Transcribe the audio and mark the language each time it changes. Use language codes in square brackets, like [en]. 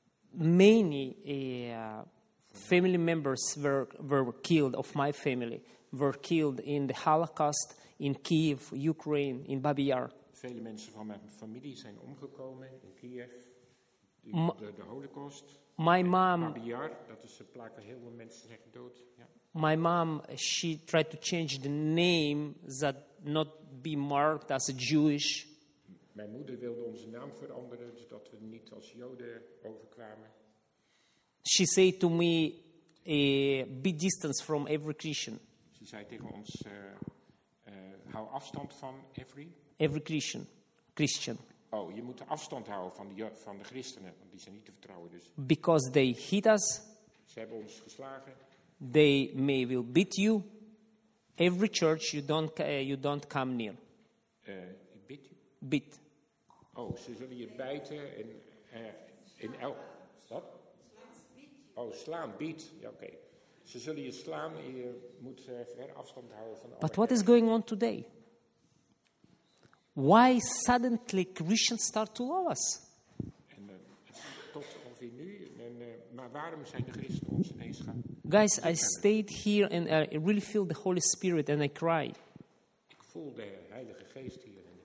[en] Many family members were killed, of my family, were killed in the Holocaust, in Kyiv, Ukraine, in Babi Yar. [nl] Vele mensen van mijn familie zijn omgekomen in Kyiv, de Holocaust. [en] My mom, [nl] Babi Yar, dat is een plaats waar heel veel mensen zijn dood. [en] Yeah. My mom, she tried to change the name that not be marked as a Jewish. [nl] Mijn moeder wilde onze naam veranderen, zodat we niet als Joden overkwamen. [en] She said to me, be distance from every Christian. [nl] Ze zei tegen ons, hou afstand van every. [en] Every Christian. Christian. [nl] Oh, je moet afstand houden van de christenen, want die zijn niet te vertrouwen. Dus. [en] Because they hit us. [nl] Ze hebben ons geslagen. [en] They may will beat you. Every church you don't come near. Beat you? Beat. [nl] Oh, ze zullen je bijten en in elk. Wat? Oh, slaan, beat. Ja, oké. Ze zullen je slaan en je moet ver afstand houden van. [en] But what is going on today? Why suddenly Christians start to love us? [nl] En tot ongeveer nu. Maar waarom zijn de Christen ons ineens gaan? [en] Guys, I stayed here and I really feel the Holy Spirit and I cry. [nl] Ik voel de Heilige Geest hier.